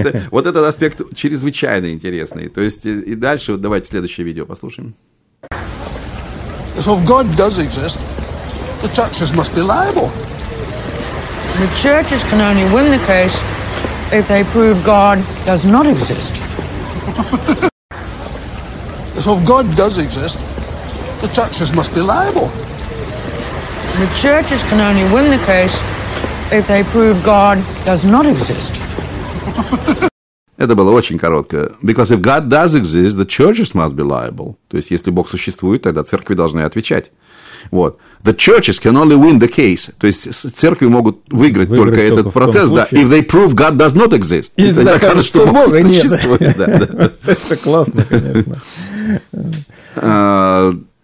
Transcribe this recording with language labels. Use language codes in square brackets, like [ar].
[ru] Вот этот аспект чрезвычайно интересный. То есть, и дальше, давайте следующее видео послушаем. [en] So if God does exist, the churches must be liable. The churches can only win the case if they prove God does not exist. So if God does exist, the churches must be liable. The churches can only win the case if they prove God does not exist. [ru] Это было очень короткое. [en] Because if God does exist, the churches must be liable. [ru] То есть, если Бог существует, тогда церкви должны отвечать. [en] Вот. The churches can only win the case. [ru] То есть, церкви могут выиграть только этот процесс. [en] Да. If they prove God does not exist. [ru] Если они докажут, что Бог существует. Это классно, конечно.